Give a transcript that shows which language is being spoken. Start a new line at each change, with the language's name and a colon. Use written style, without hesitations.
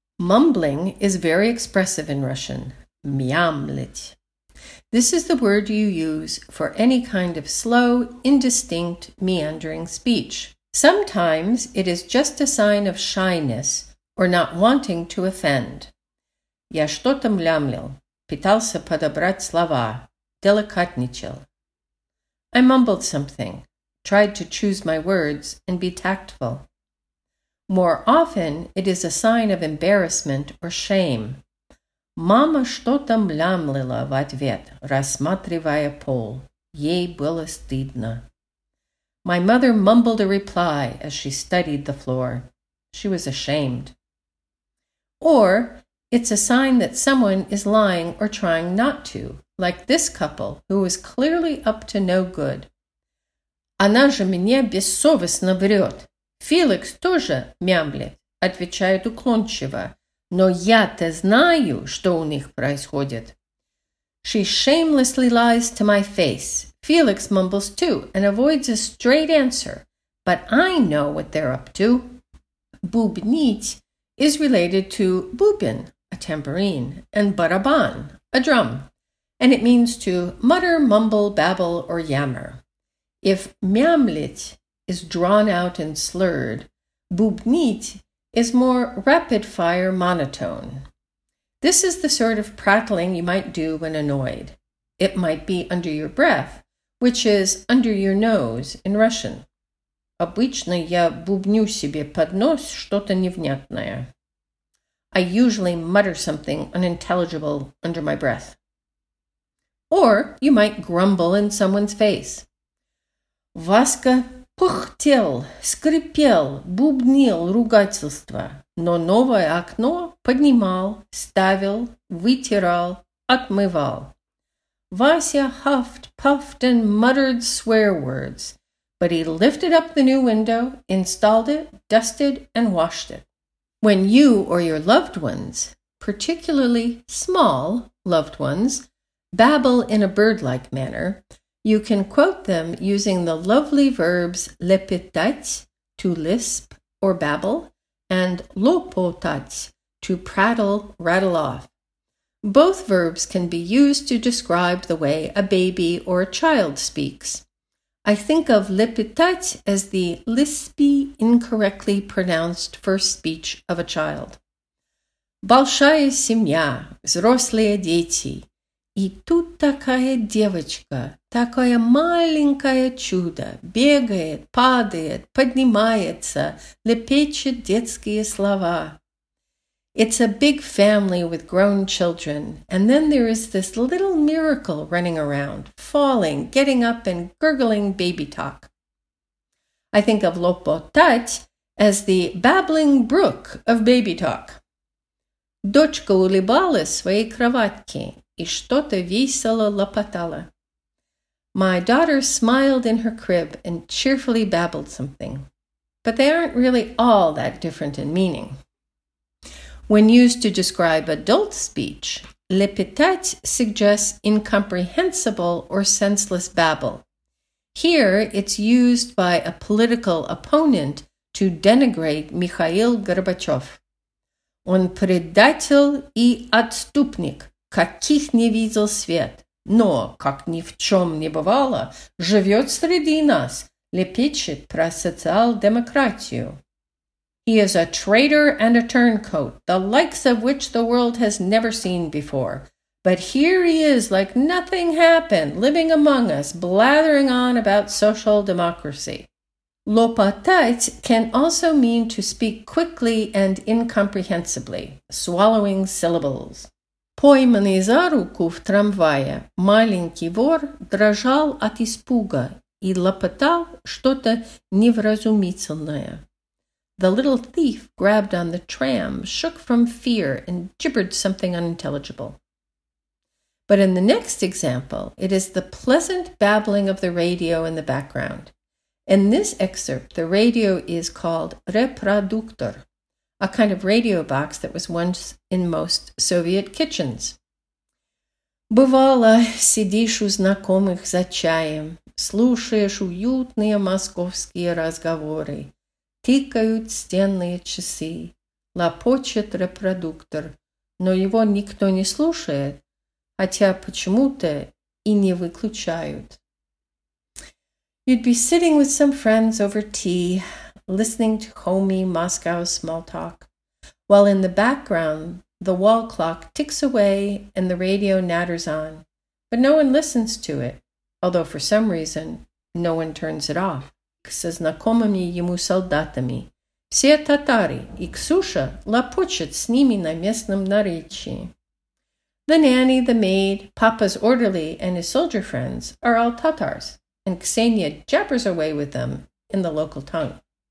English: Mumbling is very expressive in Russian, мямлить. This is the word you use for any kind of slow, indistinct, meandering speech. Sometimes it is just a sign of shyness or not wanting to offend.
Russian: Я что-то млямлил, пытался подобрать слова, деликатничал.
English: I mumbled something, tried to choose my words and be tactful. More often, it is a sign of embarrassment or shame.
Russian: Мама что-то млямлила в ответ, рассматривая пол. Ей было стыдно.
English: My mother mumbled a reply as she studied the floor. She was ashamed. Or, it's a sign that someone is lying or trying not to, like this couple who is clearly up to no good.
Russian: Она же мне бессовестно врет. Феликс тоже мямлит, отвечает уклончиво. Но я-то знаю, что у них происходит.
English: She shamelessly lies to my face. Felix mumbles too and avoids a straight answer. But I know what they're up to. Бубнить is related to бубен, a tambourine, and барабан, a drum. And it means to mutter, mumble, babble, or yammer. If мямлить is drawn out and slurred, бубнить is more rapid-fire monotone. This is the sort of prattling you might do when annoyed. It might be under your breath, which is under your nose in Russian.
Russian: Обычно я бубню себе под нос что-то невнятное.
English: I usually mutter something unintelligible under my breath. Or you might grumble in someone's face.
Russian: Васка пыхтел, скрипел, бубнил ругательства. Но новое окно поднимал, ставил, вытирал, отмывал.
English: Вася huffed, puffed, and muttered swear words, but he lifted up the new window, installed it, dusted, and washed it. When you or your loved ones, particularly small loved ones, babble in a bird-like manner, you can quote them using the lovely verbs лепетать, to lisp, or babble, and лопотать, to prattle, rattle off. Both verbs can be used to describe the way a baby or a child speaks. I think of лепетать as the lispy, incorrectly pronounced first speech of a child.
Russian: Большая семья, взрослые дети. И тут такая девочка, такое маленькое чудо, бегает, падает, поднимается, лепечет детские слова.
English: It's a big family with grown children, and then there is this little miracle running around, falling, getting up, and gurgling baby talk. I think of лопотать as the babbling brook of baby talk.
Russian: Дочка улыбалась своей кроватке. И что-то весело лопотала.
English: My daughter smiled in her crib and cheerfully babbled something. But they aren't really all that different in meaning. When used to describe adult speech, лепетать suggests incomprehensible or senseless babble. Here, it's used by a political opponent to denigrate Mikhail Gorbachev.
Russian: Он предатель и отступник. Каких не видел свет, но, как ни в чем не бывало, живет среди нас, лепечет про социал-демократию.
English: He is a traitor and a turncoat, the likes of which the world has never seen before. But here he is like nothing happened, living among us, blathering on about social democracy. Лопотать can also mean to speak quickly and incomprehensibly, swallowing syllables.
Russian: Пойманный за руку в трамвае маленький вор дрожал от испуга и лопотал что-то невразумительное.
English: The little thief grabbed on the tram, shook from fear, and gibbered something unintelligible. But in the next example, it is the pleasant babbling of the radio in the background. In this excerpt, the radio is called reproductor, a kind of radio box that was once in most Soviet kitchens.
Russian: Бывало, сидишь у знакомых за чаем, слушаешь уютные московские разговоры. Тикают стенные часы, лопочет репродуктор, но его никто не слушает, хотя почему-то и не выключают.
English: You'd be sitting with some friends over tea, listening to homey Moscow small talk, while in the background the wall clock ticks away and the radio natters on, but no one listens to it, although for some reason no one turns it off.
Russian: Со знакомыми ему солдатами. Все татары, и Ксюша лопочет с ними на местном наречии.
English: The nanny, the maid, Papa's orderly, and his soldier friends are all Tatars, and Ksenia jabbers away with them in the local tongue.